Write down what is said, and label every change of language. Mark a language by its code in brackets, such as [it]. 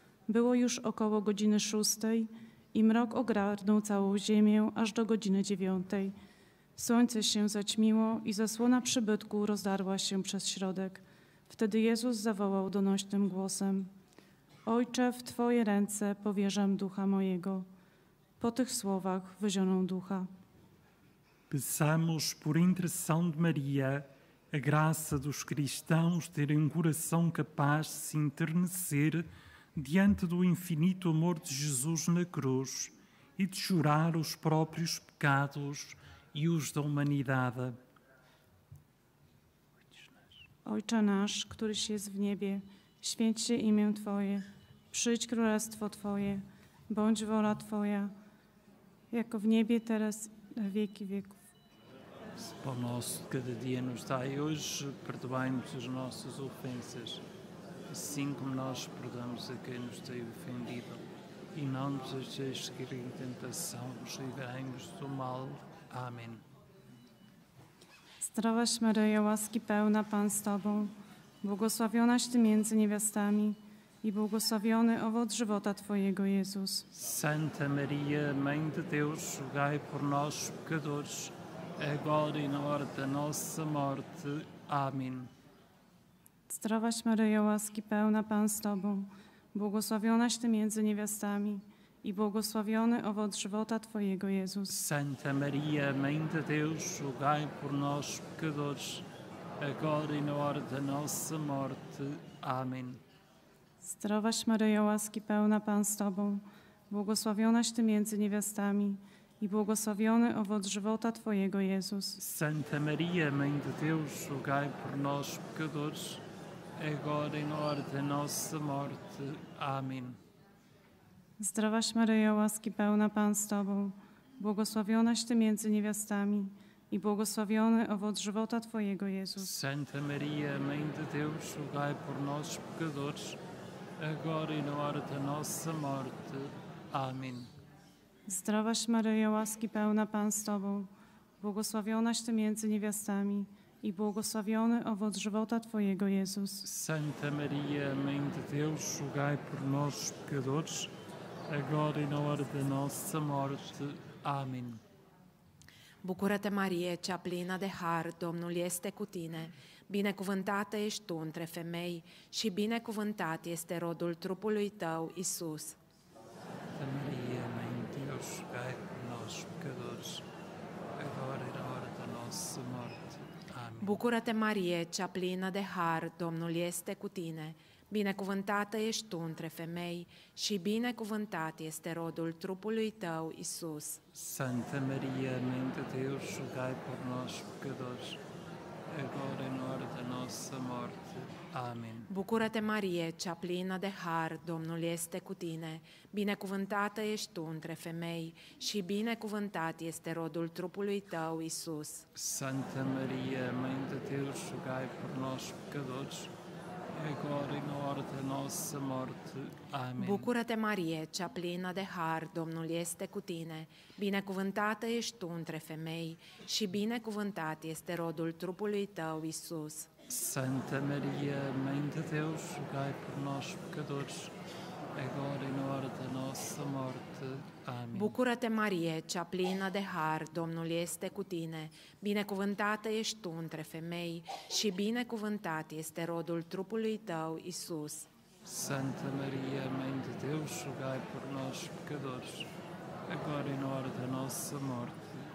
[pl] Było już około godziny 6 i mrok ogarnął całą ziemię aż do godziny 9. Słońce się zaćmiło i zasłona przybytku rozdarła się przez środek. Wtedy Jezus zawołał donośnym głosem: Ojcze, w Twoje ręce powierzam ducha mojego. Po tych słowach wyzionął ducha. [pt] Peçamos por intercessão de Maria a graça dos cristãos terem um coração capaz de se enternecer diante do infinito amor de Jesus na cruz e de chorar os próprios pecados e os da humanidade. [pl] Ojcze nasz, któryś jest w niebie, święć się imię Twoje, przyjdź królestwo Twoje, bądź wola Twoja, jako w niebie teraz na wieki wieków. [pt] Pão nosso de cada dia nos dai hoje, perdoai-nos as nossas ofensas, assim como nós perdoamos a quem nos tem ofendido. E não nos deixeis cair em tentação, mas livrai-nos do mal. Amém. [pl] Zdrowaś Maryjo, łaski pełna, Pan z Tobą, błogosławionaś Ty między niewiastami i błogosławiony owoc żywota Twojego, Jezus. [pt] Santa Maria, Mãe de Deus, rogai por nós, pecadores, agora e na hora da nossa morte. Amém. [pl] Zdrowaś Maryjo, łaski pełna, Pan z Tobą, błogosławionaś Ty między niewiastami i błogosławiony owoc żywota Twojego, Jezus. [pt] Santa Maria, Mãe de Deus, rogai por nós, pecadores, agora e na hora da nossa morte. Amém. [pl] Zdrowaś Maryjo, łaski pełna, Pan z Tobą, błogosławionaś Ty między niewiastami i błogosławiony owoc żywota Twojego, Jezus. [pt] Santa Maria, Mãe de Deus, rogai por nós, pecadores, agora e na hora da nossa morte. Amém. [pl] Zdrowaś Maryjo, łaski pełna, Pan z Tobą, błogosławionaś Ty między niewiastami i błogosławiony owoc żywota Twojego, Jezus. [pt] Santa Maria, Mãe de Deus, rogai por nós, pecadores, agora e na hora da nossa morte. Amém. [pl] Zdrowaś Maryjo, łaski pełna, Pan z Tobą, błogosławionaś Ty między niewiastami i błogosławiony owoc żywota Twojego, Jezus. [pt] Santa Maria, Mãe de Deus, rogai por nós, pecadores, agora e na hora da nossa morte. Amém. [ro] Bucură-te, Marie, cea plină de har, Domnul este cu tine. Binecuvântată ești tu între femei și binecuvântat este rodul trupului tău, Iisus. [pt] Santa Maria, Mãe de Deus, rogai por nós, pecadores, agora e na hora da nossa morte. Amém. [ro] Bucură-te, Marie, cea plină de har, Domnul este cu tine. Binecuvântată ești tu între femei și binecuvântat este rodul trupului tău, Iisus. [pt] Santa Maria, Mãe de Deus, rogai por nós, pecadores, agora e na hora da nossa morte. Amém. [ro] Bucură-te, Marie, cea plină de har, Domnul este cu tine. Binecuvântată ești tu între femei și binecuvântat este rodul trupului tău, Iisus. [pt] Santa Maria, Mãe de Deus, rogai por nós, pecadores, agora e na hora da nossa morte. Amém. [ro] Bucură-te, Marie, cea plină de har, Domnul este cu tine. Binecuvântată ești tu între femei și binecuvântat este rodul trupului tău, Iisus. [pt] Santa Maria, Mãe de Deus, rogai por nós, pecadores, agora e na hora da nossa morte. Amém. [ro] Bucură-te, Marie, cea plină de har, Domnul este cu tine. Binecuvântată ești tu între femei și binecuvântat este rodul trupului tău, Iisus. [pt] Santa Maria, Mãe de Deus, rogai por nós, pecadores, agora e na hora da nossa morte.